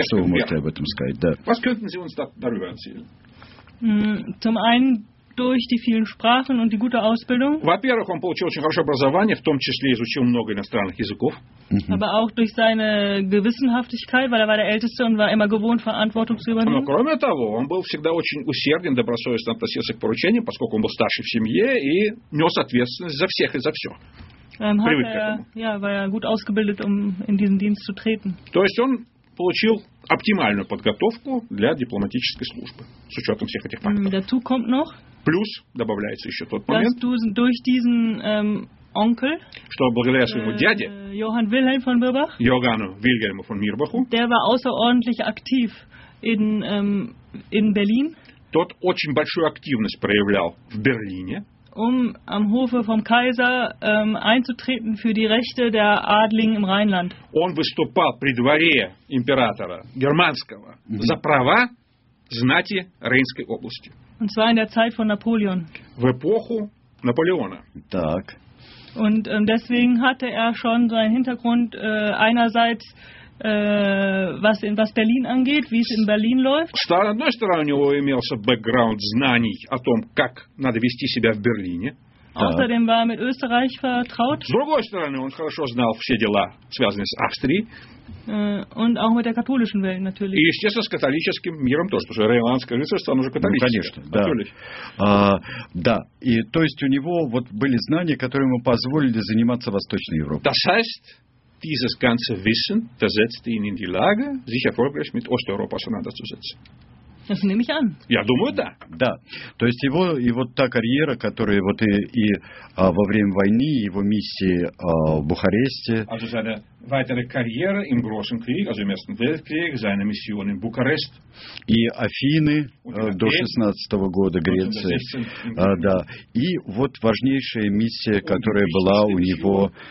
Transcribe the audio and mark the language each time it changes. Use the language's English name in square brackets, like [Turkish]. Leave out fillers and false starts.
[Russian] что вы можете об этом сказать, да. [German] Zum einen durch die vielen Sprachen und die gute Ausbildung. [Russian] Во-первых, он получил очень хорошее образование, в том числе изучил много иностранных языков. [German] Aber auch durch seine Gewissenhaftigkeit, weil er war der Älteste und war immer gewohnt, Verantwortung zu übernehmen. [Russian] Но, кроме того, он был всегда очень усерден, добросовестно относился к поручениям, поскольку он был старший в семье и нес ответственность за всех и за все. [German] War er gut ausgebildet, um in diesen Dienst zu treten. [Russian] То есть он получил оптимальную подготовку для дипломатической службы, с учетом всех этих факторов. [German] Noch, [Russian] плюс добавляется еще тот момент, [German] durch diesen, onkel, [Russian] что благодаря своему дяде, [German] Johann Wilhelm von Mirbach, Johann Wilhelm von Mirbach, der war außerordentlich aktiv in Berlin, [Russian] тот очень большую активность проявлял в Берлине, [German] um am Hofe vom Kaiser einzutreten für die Rechte der Adligen im Rheinland. [Russian] Он выступал при дворе императора германского за права знати Рейнской области. [German] Und zwar in der Zeit von Napoleon. [Russian] В эпоху Наполеона. Так. [German] Und deswegen hatte er schon seinen Hintergrund einerseits was Berlin angeht, wie es in Berlin läuft. [Russian] С одной стороны, у него имелся бэкграунд знаний о том, как надо вести себя в Берлине. [German] Außerdem war er mit Österreich vertraut. [Russian] С другой стороны, он хорошо знал все дела, связанные с Австрией. [German] Und auch mit der katholischen Welt natürlich. [Russian] И, естественно, с католическим миром тоже, потому что Рейнландское рыцарство, оно же католическое. Ну, конечно, да. Да, и то есть у него вот были знания, которые ему позволили заниматься Восточной Европой. [German] Das heißt, dieses ganze Wissen versetzte ihn in die Lage, sich erfolgreich mit Osteuropa auseinanderzusetzen. Das nehme ich an. [Russian] Я думаю, да. Да. То есть его и вот та карьера, которая вот и во время войны, его миссии в Бухаресте. [German] Also seine weitere Karriere im großen Krieg, also im ersten Weltkrieg, seine Mission in Bukarest. [Russian] И Афины до 16 года Греции. Да. И вот важнейшая миссия, которая была у него.